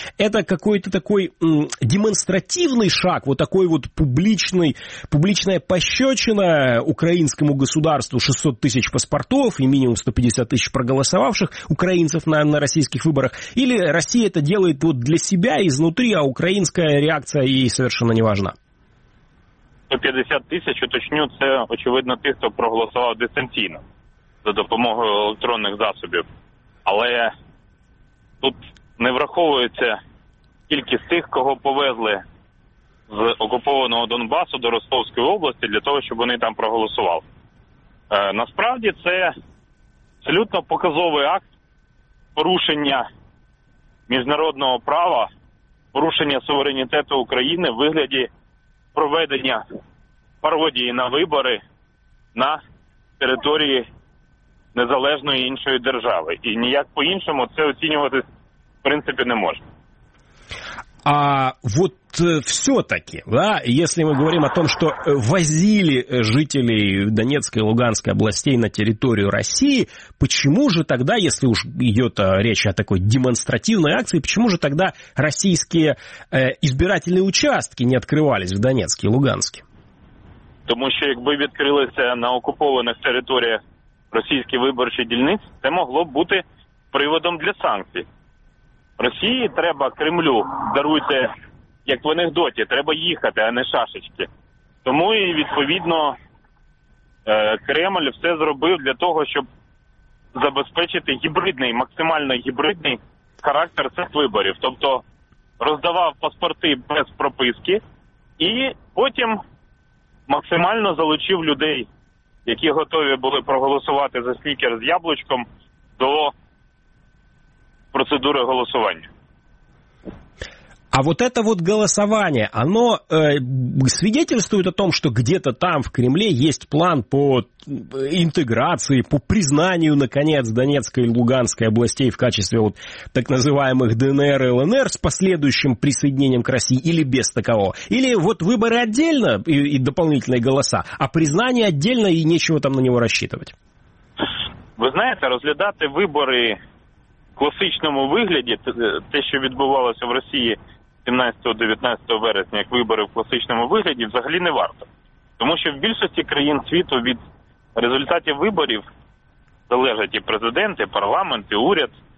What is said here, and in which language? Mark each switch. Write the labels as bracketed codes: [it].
[ru] Это какой-то такой демонстративный шаг, вот такой вот публичная пощечина украинскому государству, 600 тысяч паспортов и минимум 150 тысяч проголосовавших украинцев на российских выборах, или Россия это делает вот для себя изнутри, а украинская реакция ей совершенно не важна? [uk] 150 тысяч, уточню, це, очевидно, тих, хто проголосував дистанційно за допомогою електронних засобів. Але тут не враховується кількість тих, кого повезли з окупованого Донбасу до Ростовської області для того, щоб вони там проголосували. Насправді це абсолютно показовий акт порушення міжнародного права, порушення суверенітету України в вигляді проведення пародії на вибори на території незалежної іншої держави. І ніяк по-іншому це оцінювати, в принципі, не можна. [ru] А вот все-таки, да, если мы говорим о том, что возили жителей Донецкой и Луганской областей на территорию России, почему же тогда, если уж идет речь о такой демонстративной акции, почему же тогда российские избирательные участки не открывались в Донецке и Луганске? Потому что, если бы открылись на оккупированных территориях российские [uk] выборчие дільниці, [ru] это могло бы быть приводом для санкций. [uk] Росії треба, Кремлю, даруйте, як в анекдоті, треба їхати, а не шашечки. Тому і, відповідно, Кремль все зробив для того, щоб забезпечити гібридний, максимально гібридний характер цих виборів. Тобто роздавав паспорти без прописки і потім максимально залучив людей, які готові були проголосувати за снікер з яблучком, [ru] до процедуры голосования. А вот это вот голосование, оно свидетельствует о том, что где-то там в Кремле есть план по интеграции, по признанию, наконец, Донецкой и Луганской областей в качестве вот так называемых ДНР и ЛНР с последующим присоединением к России или без такового? Или вот выборы отдельно и дополнительные голоса, а признание отдельно и нечего там на него рассчитывать? Вы знаете, разглядать выборы [uk] в класичному вигляді, те, що відбувалося в Росії 17-19 вересня, як вибори в класичному вигляді, взагалі не варто. Тому що в більшості країн світу від результатів виборів залежать і президенти, і парламент, і уряд.